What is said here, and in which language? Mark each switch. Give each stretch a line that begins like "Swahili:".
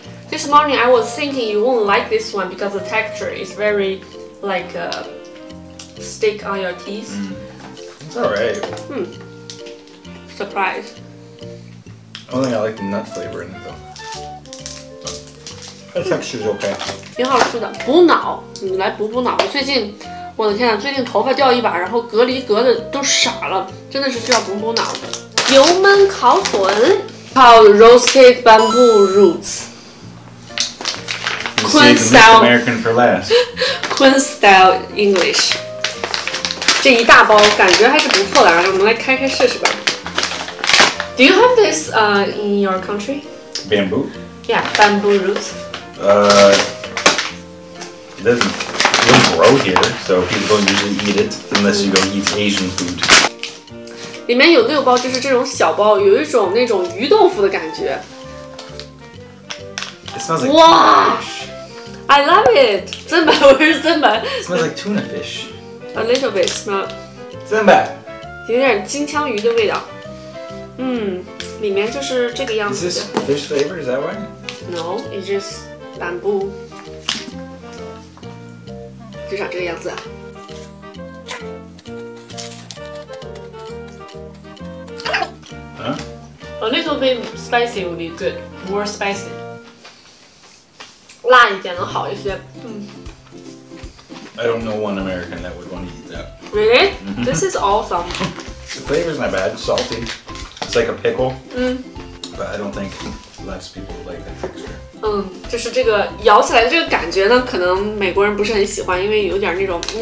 English: This morning I was thinking you won't like this one because the texture is very like a stick on your teeth. It's alright. Surprise. I don't think I like the nut flavor in it though. The texture is okay.
Chinese: 挺好吃的，补脑，你来补补脑。最近，我的天啊，最近头发掉一把，然后隔离隔的都傻了，真的是需要补补脑。油焖烤笋，烤 roasted bamboo roots.
English: Quinn style American for last. Quinn style English.
Chinese: 这一大包感觉还是不错的，我们来开开试试吧。
English: Do you have this in your country? Bamboo. Yeah, bamboo roots. It doesn't grow here, so people don't usually eat it unless you go eat Asian food.
Chinese: 里面有六包，就是这种小包，有一种那种鱼豆腐的感觉。
English: It smells like. Wow. I love it! Zimba, where's Zimba? It smells like tuna fish. A little bit smell. Zimba!
Chinese: 有点金枪鱼的味道。里面就是这个样子的。
English: Is this fish flavor? Is that why? No, it's just bamboo.
Chinese: 就长这个样子。 Huh?
English: A little bit spicy would be good. More spicy. 辣一点能好一些。 I don't know one American that would want to eat that. Really? This is awesome. The flavor is not bad. It's salty. It's like a pickle. But I don't think lots of people like that texture.
Chinese: 就是这个咬起来的这个感觉呢，可能美国人不是很喜欢，因为有点那种